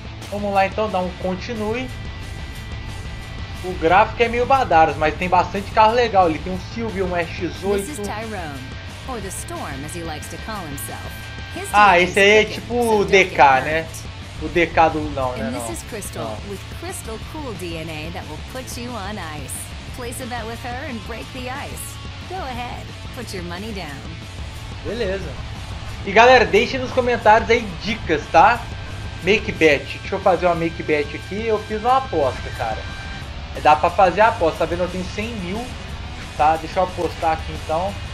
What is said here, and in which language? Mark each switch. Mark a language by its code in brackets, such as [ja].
[pt] Vamos lá então, dá um continue. O gráfico é meio badaras, mas tem bastante carro legal. Ele tem um Silvio, um RX-8. [en] This is Tyrone, or the Storm, as he likes to call himself. [pt] Ah, esse aí é tipo o DK, né? O DK do... Não, né? Não. [en] This is Crystal, with Crystal Cool DNA that will put you on ice. Place a bet with her and break the ice. Go ahead, put your money down. [pt] Beleza. E galera, deixem nos comentários aí dicas, tá? [en] Make bet. [pt] Deixa eu fazer uma make bet aqui. Eu fiz uma aposta, cara. Dá pra fazer a aposta. Tá vendo? Eu tenho 100 mil. Tá? Deixa eu apostar aqui, então.